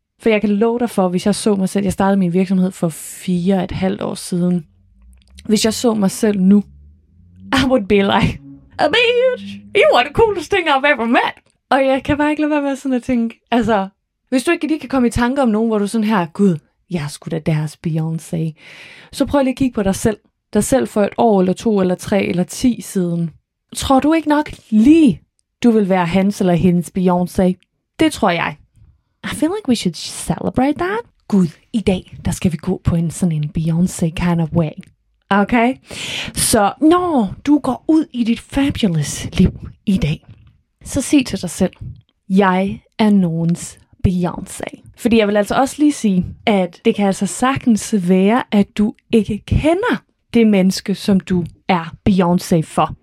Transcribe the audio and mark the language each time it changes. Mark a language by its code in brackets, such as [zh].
[da] For jeg kan love dig for, hvis jeg så mig selv, jeg startede min virksomhed for 4,5 år siden, hvis jeg så mig selv nu, [en] I would be like, a bitch, you are the coolest thing I've ever met. [da] Og jeg kan bare ikke lade være med sådan at tænke, altså, hvis du ikke lige kan komme i tanke om nogen, hvor du sådan her, gud, jeg er sgu da deres Beyoncé, så prøv lige at kigge på dig selv. Dig selv for et år, eller to, eller tre, eller ti siden. Tror du ikke nok lige, du vil være hans eller hendes Beyoncé? Det tror jeg. [en] I feel like we should celebrate that. [da] Gud, i dag, der skal vi gå på en sådan en Beyoncé [en] kind of way. [da] Okay? Så når du går ud i dit fabulous liv i dag, så sig til dig selv, jeg er nogens Beyoncé. Fordi jeg vil altså også lige sige, at det kan altså sagtens være, at du ikke kender det menneske, som du er Beyoncé for.